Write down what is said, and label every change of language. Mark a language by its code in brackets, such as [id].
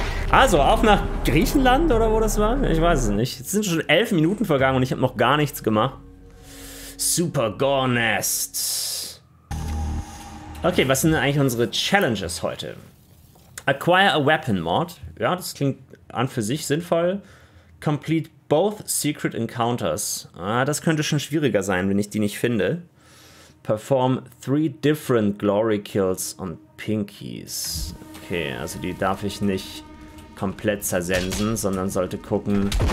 [de] Also, auf nach Griechenland oder wo das war? Ich weiß es nicht. Es sind schon 11 Minuten vergangen und ich habe noch gar nichts gemacht. Super Gore Nest. Okay, was sind denn eigentlich unsere Challenges heute? [en] Acquire a Weapon Mod. [de] Ja, das klingt an für sich sinnvoll. [en] Complete both secret encounters. [de] Ah, das könnte schon schwieriger sein, wenn ich die nicht finde. [en] Perform 3 different glory kills on Pinkies. [de] Okay, also die darf ich nicht komplett zersensen, sondern sollte gucken.